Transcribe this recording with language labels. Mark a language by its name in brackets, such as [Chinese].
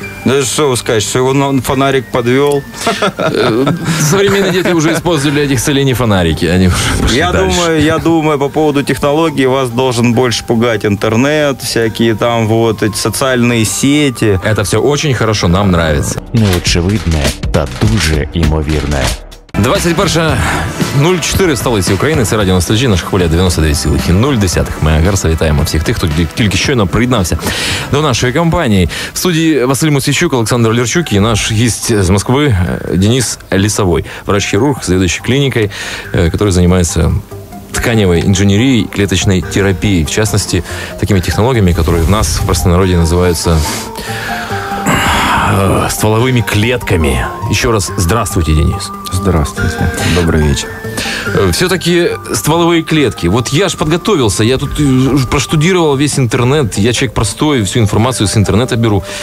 [Russian] Да что вы скажете, что его фонарик подвел? Современные дети уже использовали этих целей фонарики. Они уже пошли дальше. Я думаю, по поводу технологий вас должен больше пугать интернет, всякие там вот эти социальные сети. Это все очень хорошо, нам нравится. [Ukrainian] Неочевидное, та дуже імовірне. 21.04 столиці України, це радіо Ностальджі, наша хвиля 92.0 МГц. Вітаємо всіх тих, хто тільки щойно приєднався до нашої компанії. В студії Василь Мосійчук, Олександр Лірчук і наш гість з Москви Денис Лісовой. Врач-хірург, заведующий клінікою, який займається тканевой инженерии, клеточной терапии. [Russian] В частности, такими технологиями, которые в нас в простонародье называются стволовыми клетками. Еще раз, здравствуйте, Денис. Здравствуйте. Добрый вечер. Все-таки стволовые клетки. Вот я же подготовился, я тут проштудировал весь интернет, я человек простой, всю информацию с интернета беру.